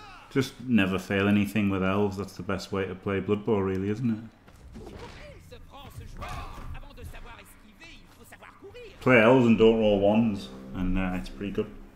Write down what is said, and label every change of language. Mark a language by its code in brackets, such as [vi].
[en] Just never fail anything with elves, that's the best way to play Blood Bowl really, isn't it? [fr] Il faut qu'il se prend ce joueur. Avant de savoir esquiver, il faut savoir courir. [en] play elves and don't roll ones, and it's pretty good.